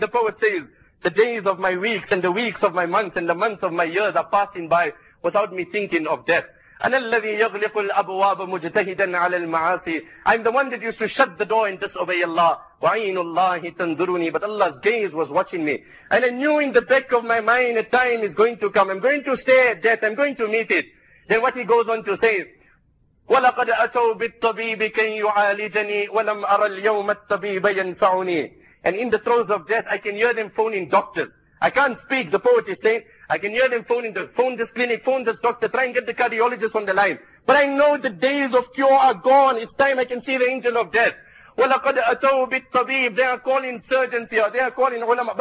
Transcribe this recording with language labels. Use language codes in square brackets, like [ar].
[en] The poet says, the days of my weeks and the weeks of my months and the months of my years are passing by without me thinking of death. [ar] أَنَا الَّذِي يَغْلِقُ الْأَبْوَابَ مُجْتَهِدًا عَلَى الْمَعَاصِي. [en] I'm the one that used to shut the door and disobey Allah. [ar] وَعِينُ اللَّهِ تَنْذُرُنِي. [en] But Allah's gaze was watching me. And I knew in the back of my mind a time is going to come. I'm going to stare at death. I'm going to meet it. Then what he goes on to say, [ar] وَلَقَدْ أَتَوْ بِالطَّبِيبِ كَنْ يُعَالِجَنِي وَلَمْ أَرَى الْيَوْمَ الطَّبِيبَ يَنْفَعُنِي. [en] And in the throes of death, I can hear them phoning doctors. I can't speak, the poet is saying. I can hear them phone this clinic, phone this doctor, try and get the cardiologist on the line. But I know the days of cure are gone. It's time I can see the angel of death. [ar] وَلَقَدْ أَتَوْ بِالطَّبِيبِ. [en] They are calling surgeons here, they are calling ulama.